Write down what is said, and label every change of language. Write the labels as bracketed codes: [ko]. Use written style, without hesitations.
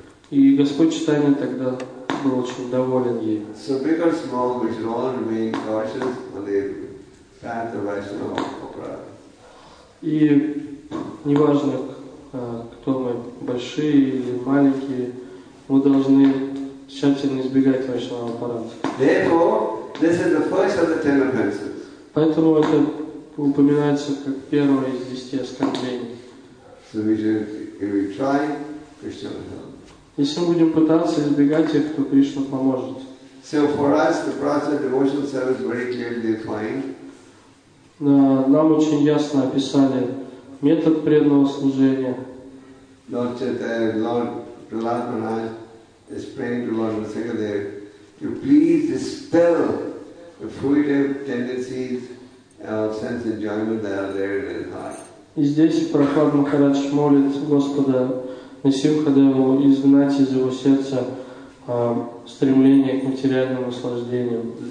[ru] И Господь Чайтанья тогда был очень доволен ей. [en] So big or small, we should all remain cautious on the path of Vaishnava Aparada. [ru] И неважно, кто мы, большие или маленькие, мы должны тщательно избегать Vaishnava Aparada. [en] Therefore, this is the first of the ten offenses. [ru] Поэтому это упоминается как первое из десяти оскорблений. [en] So we should, if we try, Krishna will help. [ru] Если мы будем пытаться избегать их, то Кришна поможет. [en] So for us, the process of devotional service is very clearly defined. [ru] Нам очень ясно описали метод преданного служения. [en] Lord Prahlad Maharaj is praying to Lord Vasudev to please dispel the fruitive tendencies of sense enjoyment that are there in his heart. [ru] И здесь Прахлад Махарадж молит Господа Насимхадеву изгнать из его сердца стремление к материальному наслаждению.